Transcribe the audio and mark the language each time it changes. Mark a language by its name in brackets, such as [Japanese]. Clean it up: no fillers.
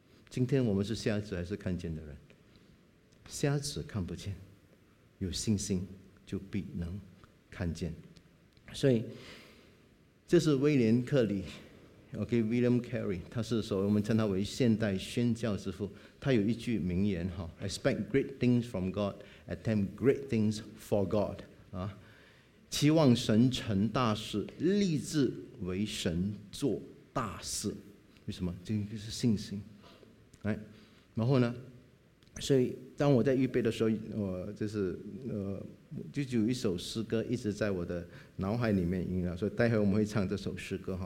[Chinese] 今天我们是瞎子还是看见的人？瞎子看不见，有信心就必能看见。所以这是威廉克里 William Carey， 他是所谓我们称他为现代宣教之父。他有一句名言 [English] Expect great things from God, attempt great things for God。 [Chinese] 期望神成大事，立志为神做大事。为什么？这个是信心。然后呢，所以当我在预备的时候，我就是就有一首诗歌一直在我的脑海里面萦绕，所以待会我们会唱这首诗歌。